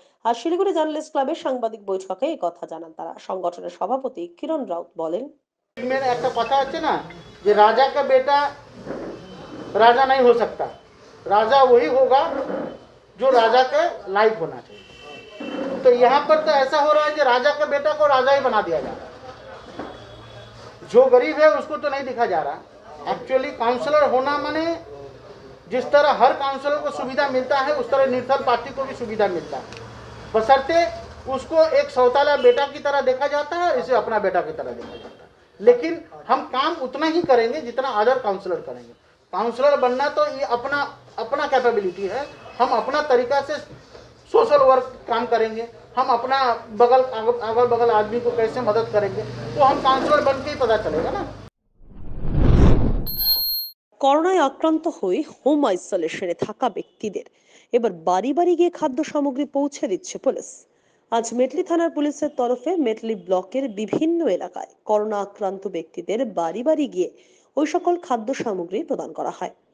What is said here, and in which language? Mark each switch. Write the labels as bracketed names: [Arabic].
[Bangla] আর Siliguri journalist ক্লাবের সাংবাদিক বৈঠকে এই কথা জানান তারা। সংগঠনের সভাপতি কিরণ রাউত বলেন, [Hindi] একটা কথা আছে না যে রাজা কা বেটা রাজা নাই হো সকতা, রাজা ওই হোগা জো রাজা কে লাইফ বানা চাই। तो यहाँ पर तो ऐसा हो रहा है कि राजा का बेटा को राजा ही बना दिया जा रहा है, जो गरीब है उसको तो नहीं दिखा जा रहा। एक्चुअली काउंसलर होना माने जिस तरह हर काउंसलर को सुविधा मिलता है उस तरह निर्धन पार्टी को भी सुविधा मिलता है, बशर्ते उसको एक सौतेला बेटा की तरह देखा जाता है, इसे अपना बेटा की तरह देखा जाता है। लेकिन हम काम उतना ही करेंगे जितना अदर काउंसलर करेंगे। काउंसलर बनना तो ये अपना अपना कैपेबिलिटी है, हम अपना तरीका से सोशल वर्क काम करेंगे, हम अपना बगल अगल बगल आदमी को कैसे मदद करेंगे वो हम काउंसलर बन के ही पता चलेगा ना। [Bangla] করোনায় আক্রান্ত হয়ে হোম আইসোলেশনে থাকা ব্যক্তিদের এবার বাড়ি বাড়ি গিয়ে খাদ্য সামগ্রী পৌঁছে দিচ্ছে পুলিশ। আজ মেটলি থানার পুলিশের তরফে মেটলি ব্লকের বিভিন্ন এলাকায় করোনা আক্রান্ত ব্যক্তিদের বাড়ি বাড়ি গিয়ে ওই সকল খাদ্য সামগ্রী প্রদান করা হয়।